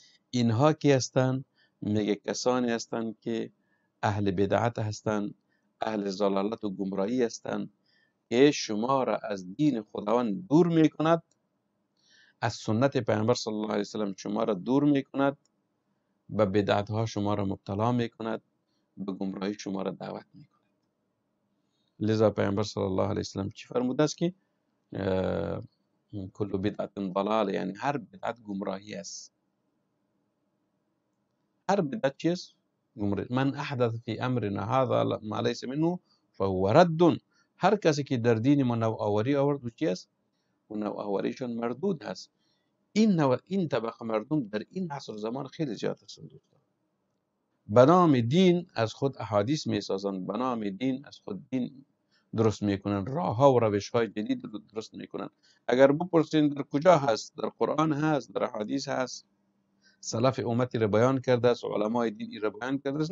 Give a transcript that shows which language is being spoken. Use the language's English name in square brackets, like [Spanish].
[Persian] اینها کی هستند؟ میگه کسانی هستند که اهل بدعت هستند، اهل ضلالت و گمراهی هستند، که شما را از دین خداوند دور می کند، از سنت پیامبر صلی الله علیه و سلم شما را دور می کند، به بدعت ها شما را مبتلا می کند، به گمراهی شما را دعوت می کند. لذا پیامبر صلی الله علیه و سلم چی فرموده است که [Arabic] کلو بدعت ضلال، [Persian] یعنی هر بدعت گمراهی است. هر بدعت چیست؟ گمراهی. [Arabic] من احدث فی امرنا هذا ما ليس منه فهو رد. [Persian] هر کسی که در دین ما نو آوری آورد، چیست؟ و نو آوریشون مردود هست. این طبقه مردم در این عصر زمان خیلی زیاد هستند. بنام دین از خود احادیث می سازند، بنام دین از خود دین درست میکنن، راه ها و روش های جدید رو درست میکنن. اگر بپرسین در کجا هست؟ در قرآن هست، در حدیث هست، سلف امتی را بیان کرده است، علمای دینی را بیان کرده است.